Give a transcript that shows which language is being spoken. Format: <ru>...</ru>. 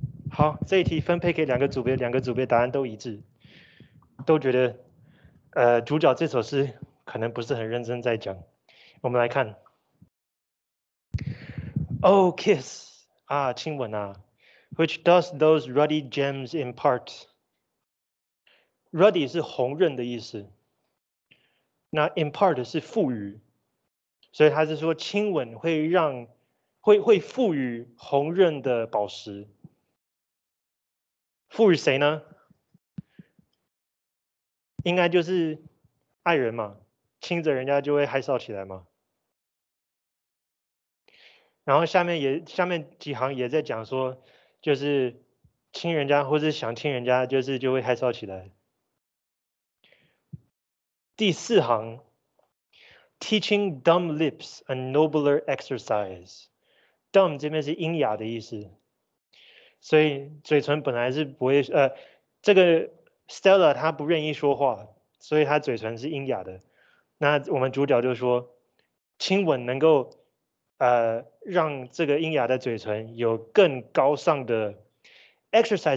<zh>好，这一题分配给两个组别，两个组别答案都一致，都觉得，主角这首诗可能不是很认真在讲。我们来看 ，</zh> <en>Oh kiss</en> <zh>啊，亲吻啊 ，</zh> <en>Which does those ruddy gems impart？</en> <zh>Ruddy 是红润的意思，那 impart 是赋予，所以他是说亲吻会让会赋予红润的宝石。赋予谁呢？应该就是爱人嘛，亲着人家就会害臊起来嘛。然后下面几行也在讲说，就是亲人家或是想亲人家，就是就会害臊起来。第四行 ，</zh> <en>teaching dumb lips a nobler exercise，</en> <zh>dumb 这边是阴哑的意思。所以嘴唇本来是不会，这个 Stella 她不愿意说话，所以她嘴唇是阴哑的。那我们主角就说，亲吻能够，让这个阴哑的嘴唇有更高尚的 exercise。</zh>